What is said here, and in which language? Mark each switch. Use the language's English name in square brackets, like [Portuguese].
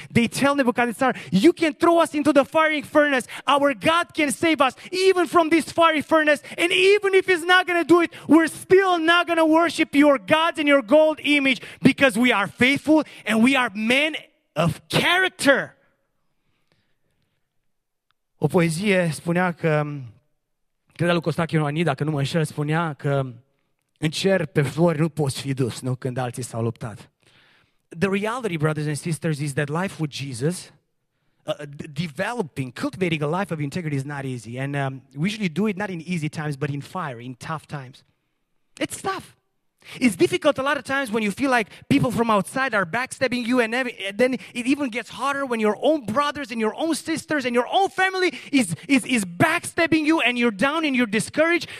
[English] They tell Nebuchadnezzar, you can throw us into the fiery furnace. Our God can save us even from this fiery furnace. And even if he's not going to do it, we're still not going to worship your gods and your gold image, because we are faithful and we are men of character. [Romanian] O poezie spunea că, credea lui Costache Ioanid, dacă nu mă înșel, spunea că în cer pe flori nu poți fi dus, nu, când alții s-au luptat. [English] The reality, brothers and sisters, is that life with Jesus, developing, cultivating a life of integrity is not easy. And we usually do it not in easy times, but in fire, in tough times. It's tough. It's difficult a lot of times when you feel like people from outside are backstabbing you, and then it even gets harder when your own brothers and your own sisters and your own family is backstabbing you, and you're down and you're discouraged.